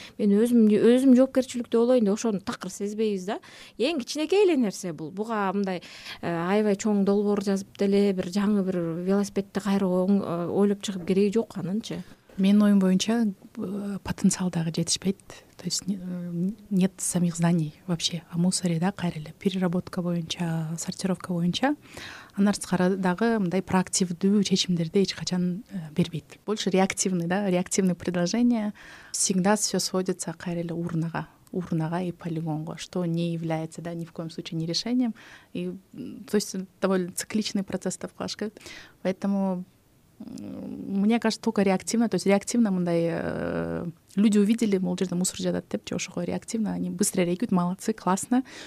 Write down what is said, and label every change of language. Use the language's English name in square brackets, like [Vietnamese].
[Kyrgyz] Мен өзүм жоопкерчиликтүү болоюн деп ошону такыр сезбейбиз да. Эң кичинекей эле нерсе бул. Буга мындай аябай чоң долбоор жазып деле бир жаңы бир велосипедди кайрып ойлоп чыгып кереги жок анынчы. Менин оюм боюнча потенциал дагы жетишпейт. [Russian] То есть нет самих знаний вообще о мусоре, да, [Kyrgyz] кайра эле [Russian] переработка [Kyrgyz] боюнча, [Russian] сортировка боюнча. [Kyrgyz] Анар дагы мындай проактивдүү чечимдерди эч качан бербейт. [Russian] Больше реактивный, да, реактивные предложения. Всегда все сводится [Kyrgyz] кайра эле урнага [Russian] и полигонго, что не является, да, ни в коем случае не решением. И, то есть довольно цикличный процесс да, Кашка. Поэтому мне кажется, только реактивно, то есть реактивно [Kyrgyz] мындай [Russian] люди увидели, мол, [Kyrgyz] жерде мусор жатат деп, же ошого [Russian] реактивно, они быстро реагируют, молодцы, классно.